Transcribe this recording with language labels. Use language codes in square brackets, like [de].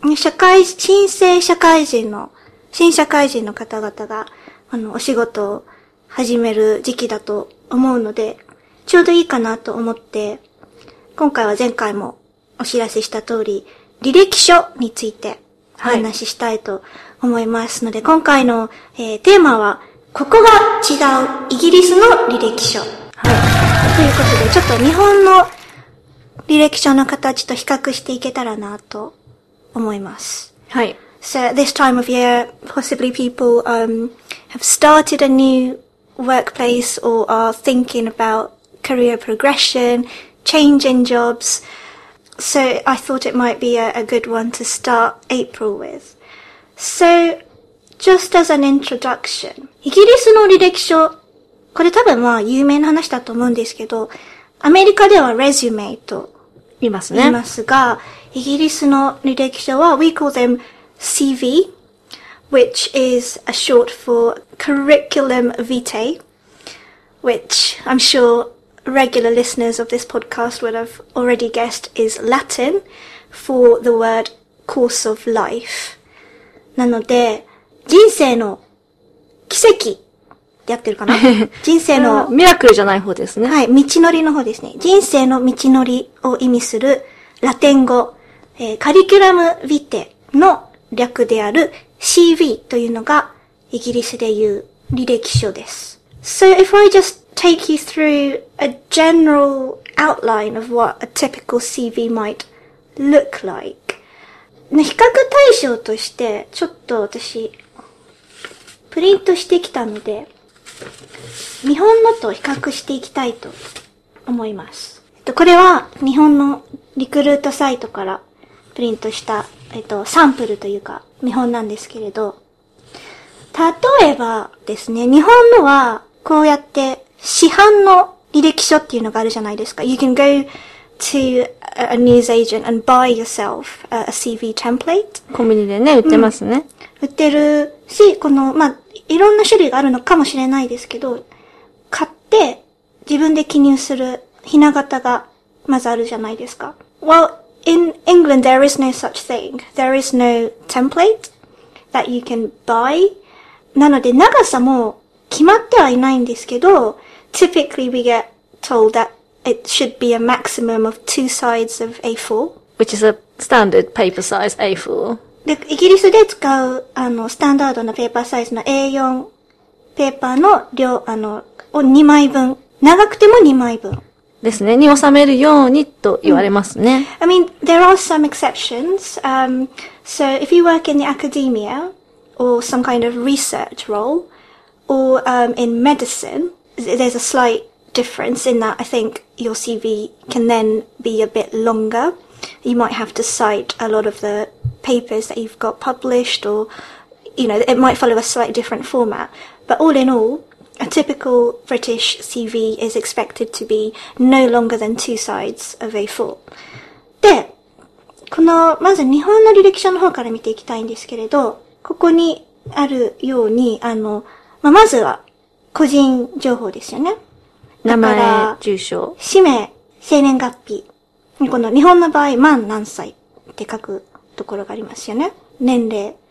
[ja] 社会新生社会人の新社会人の方々がお仕事を始める時期だと思うので、ちょうどいいかなと思って、今回は前回もお知らせした通り、履歴書についてお話ししたいと思いますので、はい、今回の、テーマは、ここが違うイギリスの履歴書。はい、ということで、ちょっと日本の履歴書の形と比較していけたらなと思います。はい。 [en] So, this time of year, possibly people, have started a newworkplace or are thinking about career progression, changing jobs. So I thought it might be a good one to start April with. So just as an introduction, [ja] イギリスの履歴書、これ多分まあ有名な話だと思うんですけど、アメリカではレジュメと言いますね。言いますが、イギリスの履歴書は [en] we call them CV. Which is a short for curriculum vitae, which I'm sure regular listeners of this podcast would have already guessed is Latin for the word course of life. [ja] なので、人生の奇跡やってるかな？人生のミラクルじゃない方ですね。はい、道のりの方ですね。人生の道のりを意味するラテン語、カリキュラムヴィテの略であるCV というのがイギリスで言う履歴書です。 [en] So if I just take you through a general outline of what a typical CV might look like. [ja] 比較対象としてちょっと私プリントしてきたので日本のと比較していきたいと思います。これは日本のリクルートサイトからプリントしたサンプルというか見本なんですけれど、例えばですね、日本のはこうやって市販の履歴書っていうのがあるじゃないですか。 [en] You can go to a news agent and buy yourself a CV template. [ja] コンビニでね、売ってますね、売ってるし、このまあ、いろんな種類があるのかもしれないですけど、買って自分で記入するひな型がまずあるじゃないですか。 [en] WellIn England, there is no such thing. There is no template that you can buy. [ja] なので長さも決まってはいないんですけど、 [en] typically we get told that it should be a maximum of two sides of A4. Which is a standard paper size A4. [ja] で、イギリスで使う、スタンダードなペーパーサイズの A4 ペーパーの量、を2枚分。長くても2枚分。ですね。に収めるようにと言われますね。 [en] I mean, there are some exceptions. So if you work in the academia or some kind of research role or in medicine, there's a slight difference in that I think your CV can then be a bit longer. You might have to cite a lot of the papers that you've got published or, you know, it might follow a slight different format. But all in all,A typical British CV is expected to be no longer than two sides of A4. [ja] で、この、まず日本の履歴書の方から見ていきたいんですけれど、ここにあるように、まあ、まずは個人情報ですよね。名前、住所。氏名、生年月日。この日本の場合、満何歳って書くところがありますよね。年齢。